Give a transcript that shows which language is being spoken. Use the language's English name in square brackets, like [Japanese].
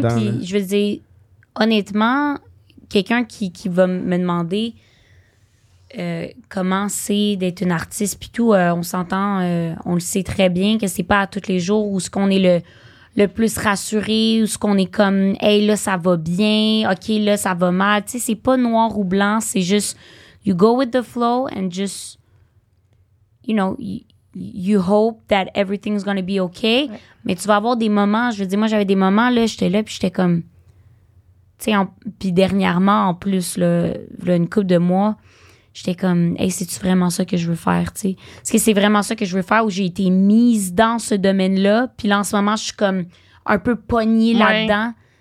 [French] Puis je veux dire, honnêtement, quelqu'un qui va me demander comment c'est d'être une artiste, puis tout, on s'entend, on le sait très bien que c'est pas à tous les jours où ce qu'on est le plus rassuré, où ce qu'on est comme, hey, là, ça va bien, OK, là, ça va mal. Tu sais, c'est pas noir ou blanc, c'est juste. [English] You go with the flow and just, you know, you hope that everything's gonna be okay. [French] Ouais. Mais tu vas avoir des moments, je veux dire, moi, j'avais des moments, là, j'étais là, puis j'étais comme, tu sais, puis dernièrement, en plus, là, une couple de mois, j'étais comme, hey, c'est-tu vraiment ça que je veux faire, tu sais? Est-ce que c'est vraiment ça que je veux faire où j'ai été mise dans ce domaine-là? Puis là, en ce moment, je suis comme un peu pognée là-dedans.